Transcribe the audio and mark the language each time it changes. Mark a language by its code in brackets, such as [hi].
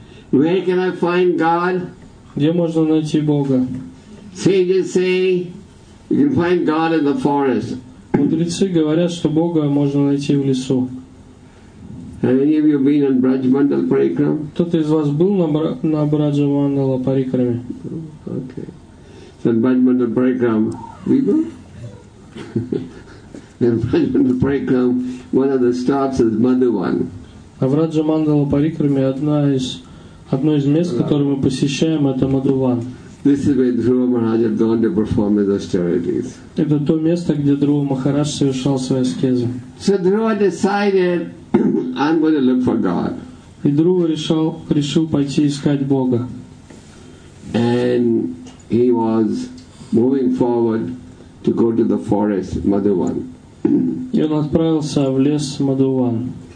[en] Where can I find God? [ru] Где можно найти Бога? [en] Sages say, You can find God in the forest. [ru] Мудрецы говорят, что Бога можно найти в лесу. [en] Have any of you been on Brajmandal Parikram? [ru] Кто-то из вас был на Брадж-Мандала Парикраме? [en] Okay. So Brajmandal Parikram. People? In Brajmandal Parikram, one of the stops is Madhuvan. [ru] А в Брадж-Мандала Парикраме одно из мест, которое мы посещаем, это Мадхуван. [en] This is where Dhruva Maharaj had gone to perform his austerities. [ru] Это то место, где Друва Махарадж совершал свои аскезы. [en] So Dhruva decided, I'm going to look for God. [ru] И Друва решил пойти искать Бога. [en] And he was moving forward to go to the forest, Madhuvan. [ru] И он отправился в лес Мадхуван.